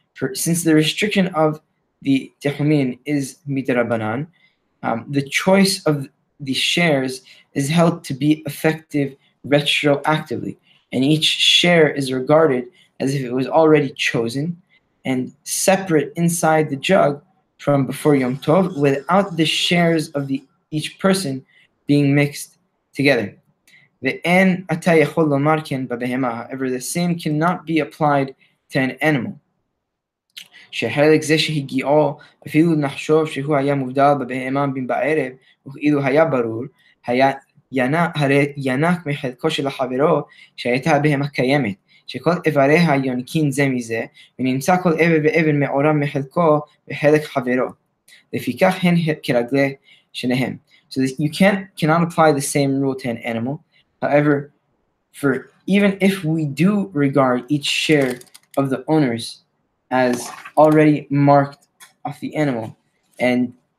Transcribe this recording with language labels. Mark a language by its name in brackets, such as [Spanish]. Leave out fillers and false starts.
[English] For since the restriction of the techumin is midrabanan, the choice of the shares is held to be effective retroactively, and each share is regarded as if it was already chosen and separate inside the jug from before Yom Tov, without the shares of the each person being mixed together. However, the same cannot be applied to an animal. [Hebrew] שחלק זה שהגיעו אפילו נחשוב שהוא היה מובדל בבהמה בין בערב וכאילו היה ברור, הרי ינק מחלקו של החברו שהייתה בהמה קיימת, שכל איבריה יונקין זה מזה ונמצא כל עבר ועבר מעורם מחלקו וחלק חברו. לפיכך הן כרגלי שניהם. [English] So this, you cannot apply the same rule to an animal. However, for even if we do regard each share of the owners as already marked off the animal and